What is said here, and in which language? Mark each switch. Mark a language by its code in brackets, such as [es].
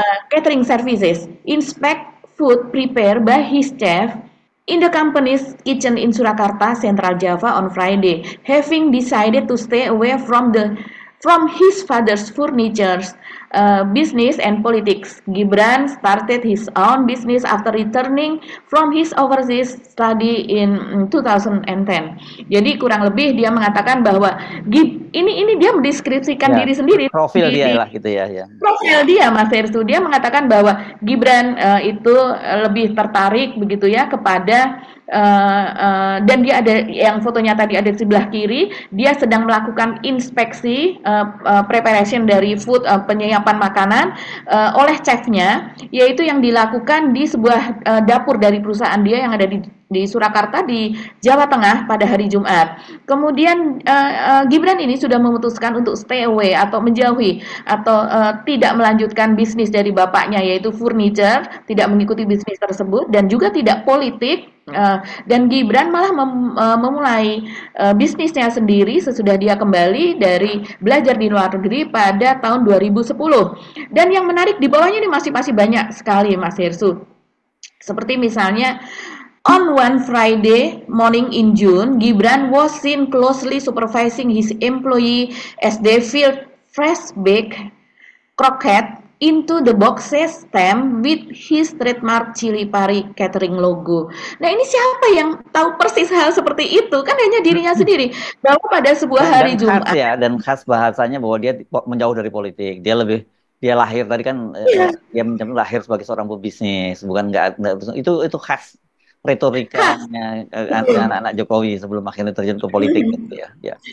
[en] Catering services inspect food prepared by his chef in the company's kitchen in Surakarta Central Java on Friday, having decided to stay away from his father's furniture business and politics. Gibran started his own business after returning from his overseas study in 2010. [id] Jadi kurang lebih dia mengatakan bahwa ini dia mendeskripsikan diri sendiri. Profil dia lah gitu ya. Profil dia Mas Hersu, dia mengatakan bahwa Gibran itu lebih tertarik begitu ya kepada dan dia ada yang fotonya tadi ada di sebelah kiri, dia sedang melakukan inspeksi preparation dari food penyiapan makanan oleh chefnya, yaitu yang dilakukan di sebuah dapur dari perusahaan dia yang ada di Surakarta di Jawa Tengah pada hari Jumat. Kemudian Gibran ini sudah memutuskan untuk [en] stay away [id] atau menjauhi atau tidak melanjutkan bisnis dari bapaknya yaitu furniture, tidak mengikuti bisnis tersebut dan juga tidak politik. Dan Gibran malah memulai bisnisnya sendiri sesudah dia kembali dari belajar di luar negeri pada tahun 2010. Dan yang menarik di bawahnya ini masih banyak sekali Mas Hersu. Seperti misalnya, [en] on one Friday morning in June, Gibran was seen closely supervising his employee as they filled fresh baked croquette into the boxes stamped with his trademark Chili Pari catering logo. [id] Nah, ini siapa yang tahu persis hal seperti itu? Kan hanya dirinya sendiri. Bahwa pada sebuah hari dan Jumat. Khas ya, dan khas bahasanya bahwa dia menjauh dari politik. Dia lebih dia lahir tadi kan dia menjadi lahir sebagai seorang pebisnis, bukan enggak itu khas retorikanya anak-anak Jokowi sebelum akhirnya terjun ke politik gitu ya.